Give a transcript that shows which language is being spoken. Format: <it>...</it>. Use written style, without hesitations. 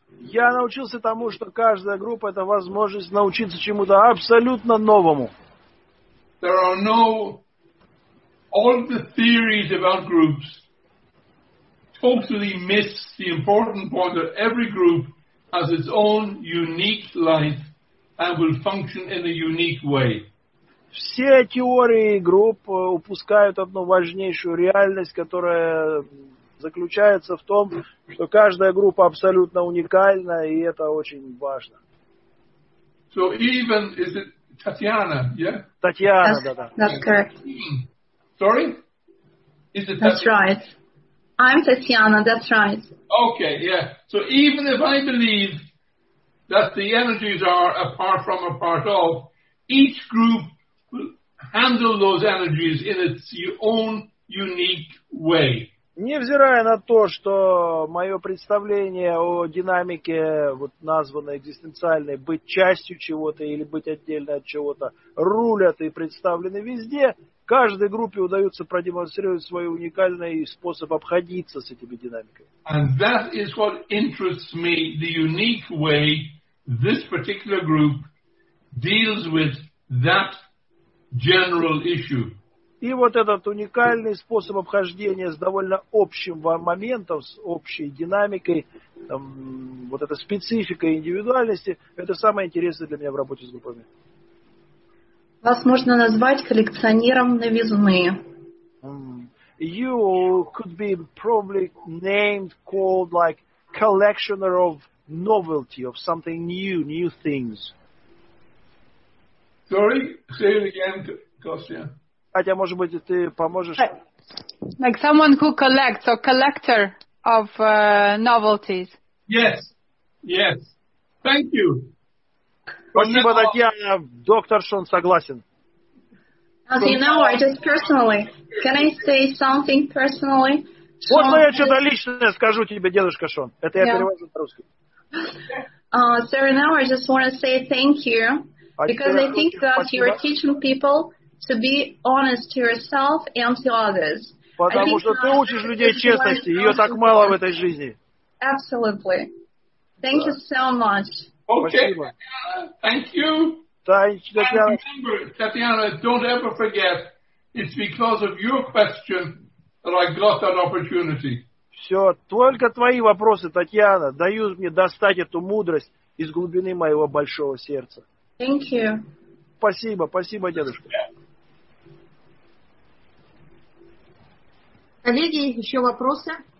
<ru>Я научился тому, что каждая группа – это возможность научиться чему-то абсолютно новому.</ru> <en>There are no all the theories about groups totally miss the important point that every group has its own unique life and will function in a unique way.</en> <ru>Все теории групп упускают одну важнейшую реальность, которая заключается в том, что каждая группа абсолютно уникальна, и это очень важно.</ru> <en>So even is it Tatiana, yeah? Tatiana, that's,</en> <ru>да,</ru> <en>that's correct. Sorry? Is it that's right. I'm Tatiana, that's right. Okay, yeah. So even if I believe that the energies are apart from a part of, each group will handle those energies in its own unique way.</en> <ru>Невзирая на то, что мое представление о динамике, вот названной экзистенциальной, быть частью чего-то или быть отдельно от чего-то, рулят и представлены везде, каждой группе удается продемонстрировать свой уникальный способ обходиться с этими динамиками.</ru> <en>And that is what interests me, the unique way this particular group deals with that general issue.</en> <ru>И вот этот уникальный способ обхождения с довольно общим моментом, с общей динамикой, там, вот эта специфика индивидуальности, это самое интересное для меня в работе с группами. Вас можно назвать коллекционером новизны.</ru> <en>You could be probably named, called like collectioner of novelty, of something new, new things. Sorry, say it again, Kostya.</en> <ru>Хотя, может быть, ты поможешь.</ru> <en>Like someone who collects, or collector of novelties. Yes, yes. Thank you.</en> <ru>Спасибо, Татьяна. Доктор Шон согласен.</ru> <en>As you know, I just personally, can I say something personally?</en> <ru>Вот Шон, я что-то личное скажу тебе, дедушка Шон. Это</ru> <en>yeah.</en> <ru>Я перевожу на русский.</ru> <en>Sir, now I just want to say thank you, because I think that you are teaching people to be honest to yourself and to others.</en> <ru>Потому что ты учишь людей честности, ее так мало в этой жизни.</ru> <en>Absolutely. Thank you so much. Okay. Thank you. And remember, Tatiana, don't ever forget, it's because of your question that I got that opportunity.</en> <ru>Все, только твои вопросы, Татьяна, дают мне достать эту мудрость из глубины моего большого сердца.</ru> <en>Thank you.</en> <ru>Спасибо, спасибо, дедушка. Коллеги, еще вопросы?</ru>